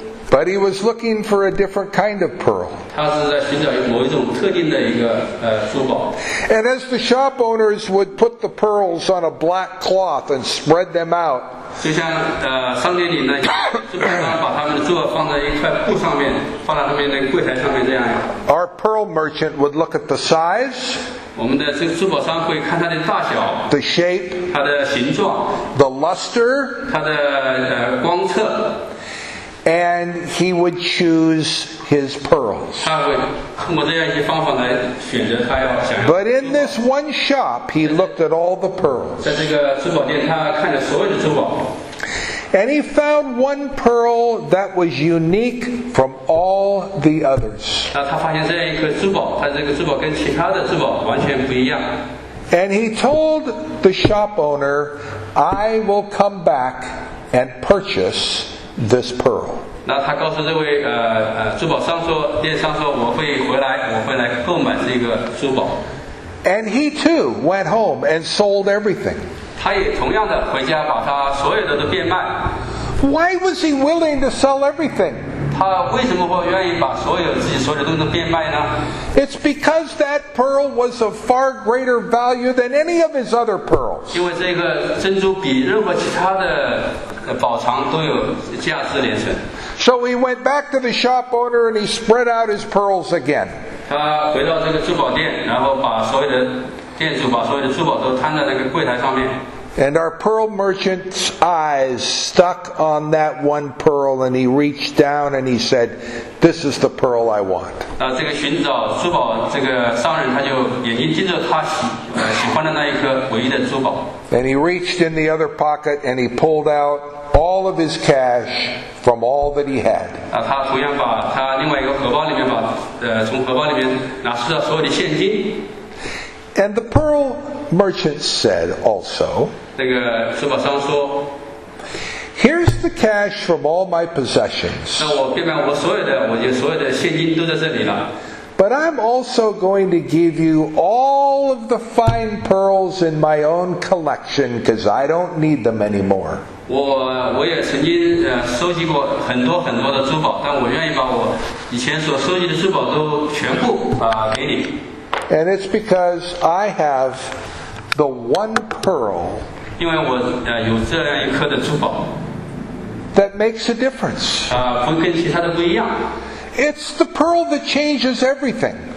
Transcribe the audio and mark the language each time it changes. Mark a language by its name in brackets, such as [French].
[English] But he was looking for a different kind of pearl. And as the shop owners would put the pearls on a black cloth and spread them out, [Chinese] 就像商店里呢，基本上把他们的珠宝放在一块布上面，放在他们的柜台上面这样。 [English] Our pearl merchant would look at the size. [Chinese] 我们的这个珠宝商会看它的大小。 [English] The shape. [Chinese] 它的形状。 [English] The luster. [Chinese] 它的光泽。 [English] And he would choose his pearls. [Chinese] 他会通过这样一些方法来选择他要想要。 [English] But in this one shop, he looked at all the pearls. [Chinese] 在这个珠宝店，他看着所有的珠宝。 [English] And he found one pearl that was unique from all the others. And he told the shop owner, I will come back and purchase this pearl. [Chinese] 那他告诉这位珠宝商说，电商说，我会来购买这个珠宝。 [English] And he too went home and sold everything. [Chinese] 他也同样的回家把他所有的都变卖。 [English] Why was he willing to sell everything? [Chinese] 他为什么会愿意把所有自己所有东西都变卖呢？ [English] It's because that pearl was of far greater value than any of his other pearls. [Chinese] 因为这个珍珠比任何其他的宝藏都有价值连城。 [English] So he went back to the shop owner and he spread out his pearls again. [Chinese] 他回到这个珠宝店，然后把所有的店主把所有的珠宝都摊在那个柜台上面。 [English] And our pearl merchant's eyes stuck on that one pearl, and he reached down and he said, "This is the pearl I want." [Chinese] 那这个寻找珠宝这个商人，他就眼睛盯着他喜欢的那一颗唯一的珠宝。 [English] And he reached in the other pocket and he pulled out all of his cash from all that he had. [Chinese] 那他同样把他另外一个荷包里面把从荷包里面拿出了所有的现金。 [English] And the pearl merchant said also, [Chinese] 那个珠宝商说, [English] Here's the cash from all my possessions. [Chinese] 那我变卖我所有的，我有所有的现金都在这里了。 [English] But I'm also going to give you all of the fine pearls in my own collection because I don't need them anymore. [Chinese] 我也曾经收集过很多很多的珠宝，但我愿意把我以前所收集的珠宝都全部给你。 [English] And it's because I have the one pearl that makes a difference. It's the pearl that changes everything.